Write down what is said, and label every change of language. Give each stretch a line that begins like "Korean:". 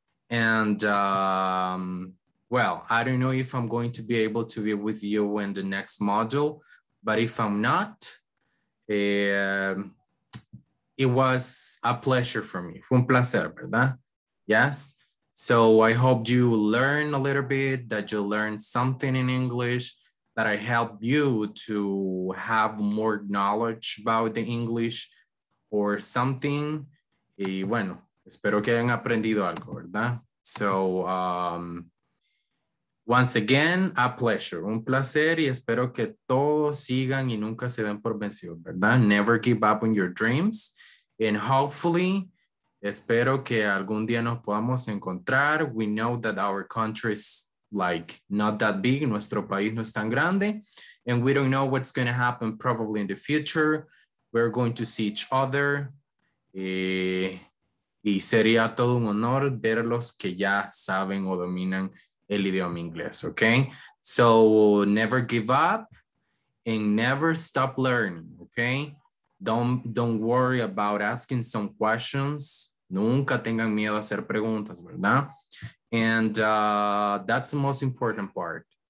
English: And I don't know if I'm going to be able to be with you in the next module, but if I'm not, it was a pleasure for me.
Spanish: Fue un placer, verdad?
English: Yes. So I hope you learn a little bit, that you learn something in English, that I help you to have more knowledge about the English or something.
Spanish: Y bueno, espero que hayan aprendido algo, ¿verdad?
English: So once again, a pleasure,
Spanish: un placer, y espero que todos sigan y nunca se den por vencidos, ¿verdad?
English: Never give up on your dreams. And hopefully,
Spanish: espero que algún día nos podamos encontrar.
English: We know that our country is like not that big.
Spanish: Nuestro país no es tan grande.
English: And we don't know what's going to happen probably in the future. We're going to see each other.
Spanish: Y sería todo un honor verlos que ya saben o dominan el idioma inglés, okay?
English: So never give up and never stop learning, okay? Don't worry about asking some questions.
Spanish: Nunca tengan miedo a hacer preguntas, ¿verdad?
English: And that's the most important part.